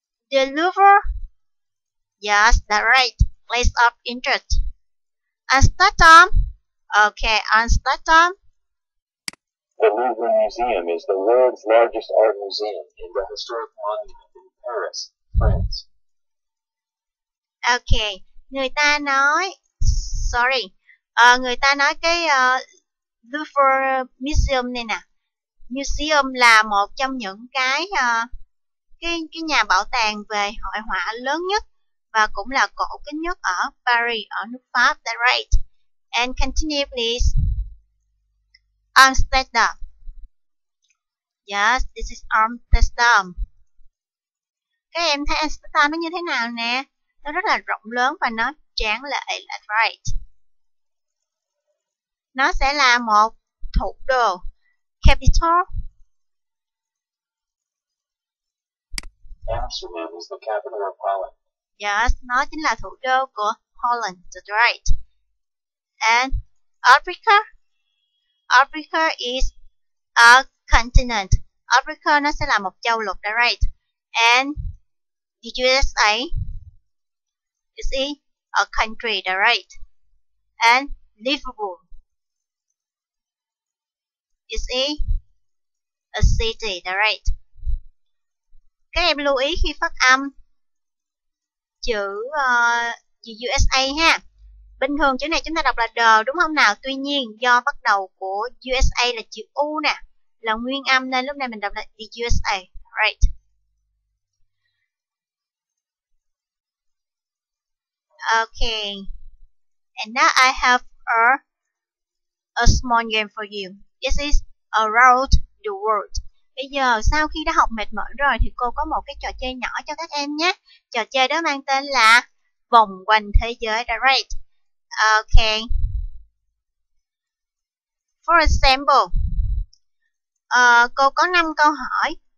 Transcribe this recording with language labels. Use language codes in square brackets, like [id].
[en] The Louvre, yes, that's right, place of interest. Amsterdam, okay, Amsterdam. The Louvre Museum is the world's largest art museum in the historic monument in Paris, France. [vi] Okay, người ta nói, sorry, người ta nói cái Louvre Museum này nè. Museum là một trong những cái nhà bảo tàng về hội họa lớn nhất và cũng là cổ kính nhất ở Paris, ở nước Pháp. [en] That's right. And continue please. Amsterdam. Yes, this is Amsterdam. [vi] Các em thấy Amsterdam nó như thế nào nè? Nó rất là rộng lớn và nó tráng lệ. [en] That's right. [vi] Nó sẽ là một thủ đô, capital. [en] Amsterdam is the capital of Holland. [vi] Yes, nó chính là thủ đô của Holland, [en] that's right. And Africa? Africa is a continent. [vi] Africa nó sẽ là một châu lục, [en] that's right. And the USA is a country, that's right. And Liverpool is a city, that's right. [vi] Các em lưu ý khi phát âm chữ USA ha. Bình thường chữ này chúng ta đọc là D đúng không nào? Tuy nhiên do bắt đầu của USA là chữ U nè, là nguyên âm nên lúc này mình đọc là the USA, [en] right? Okay. And now I have a small game for you. This is around the world. [vi] Bây giờ sau khi đã học mệt mỏi rồi thì cô có một cái trò chơi nhỏ cho các em nhé. Trò chơi đó mang tên là vòng quanh thế giới, [en] right? Okay. For example, [vi] cô có 5 câu hỏi.